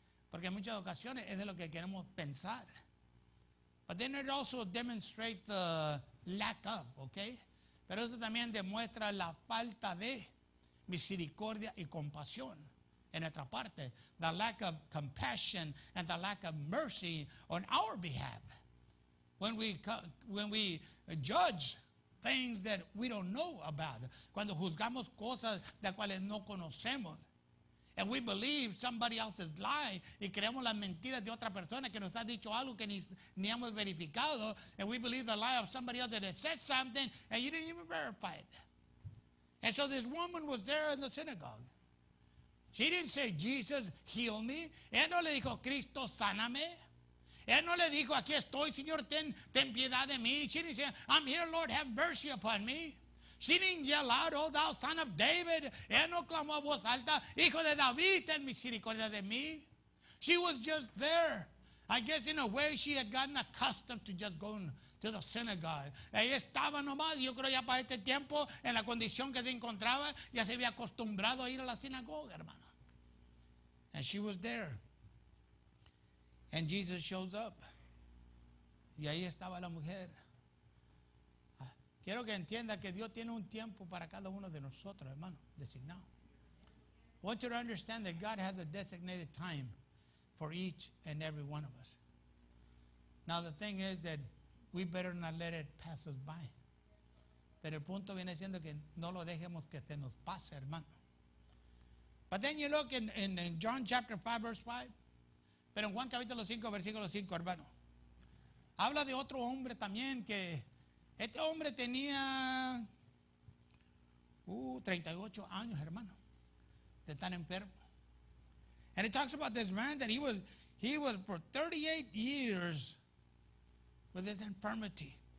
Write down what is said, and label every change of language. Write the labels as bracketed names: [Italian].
[Spanish] Porque en muchas ocasiones es de lo que queremos pensar. [English] But then it also demonstrates the lack of, okay? [Spanish] Pero eso también demuestra la falta de misericordia y compasión en nuestra parte, [English] the lack of compassion and the lack of mercy on our behalf. When we judge things that we don't know about, [Spanish] cuando juzgamos cosas de cuales no conocemos, [English] and we believe somebody else's lie, [Spanish] y creemos las mentiras de otra persona que nos ha dicho algo que ni hemos verificado, [English] and we believe the lie of somebody else that has said something and you didn't even verify it. And so this woman was there in the synagogue. She didn't say, Jesus, heal me. [Spanish] Ella no le dijo, Cristo, sáname. Ella no le dijo, aquí estoy, Señor, ten piedad de mí. [English] She didn't say, I'm here, Lord, have mercy upon me. She didn't yell out, oh, thou son of David. [Spanish] Ella no clamó a voz alta, hijo de David, ten misericordia de mí. [English] She was just there. I guess in a way she had gotten accustomed to just going to the synagogue. [Spanish] Ella estaba nomás, yo creo ya para este tiempo, en la condición que se encontraba, ya se había acostumbrado a ir a la sinagoga, hermano. [English] And she was there. And Jesus shows up. [Spanish] Y ahí estaba la mujer. Quiero que entienda que Dios tiene un tiempo para cada uno de nosotros, hermano, designado. [English] I want you to understand that God has a designated time for each and every one of us. Now the thing is that we better not let it pass us by. [Spanish] Pero el punto viene siendo que no lo dejemos que se nos pase, hermano. [English] But then you look in John chapter 5, verse 5. [Spanish] Pero en Juan capítulo 5, versículo 5, hermano. Habla de otro hombre también que este hombre tenía 38 años, hermano, de tan enfermo. [English] And it talks about this man that he was for 38 years with his infirmity.